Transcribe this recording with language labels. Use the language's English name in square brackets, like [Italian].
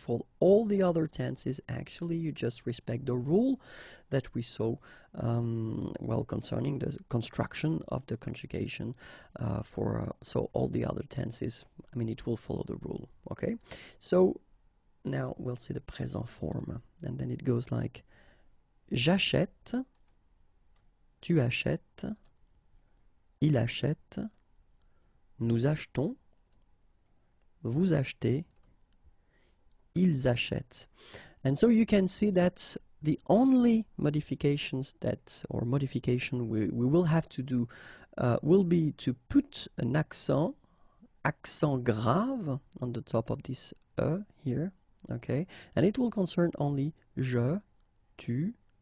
[English] For all the other tenses, actually, you just respect the rule that we saw, concerning the construction of the conjugation for all the other tenses. I mean, it will follow the rule, okay? So now we'll see the present form, and then it goes like, [French] j'achète. Tu achètes, il achète, nous achetons, vous achetez, ils achètent. [English] And so you can see that the only modifications modification we will have to do will be to put an accent grave on the top of this E here, okay? And it will concern only je, tu,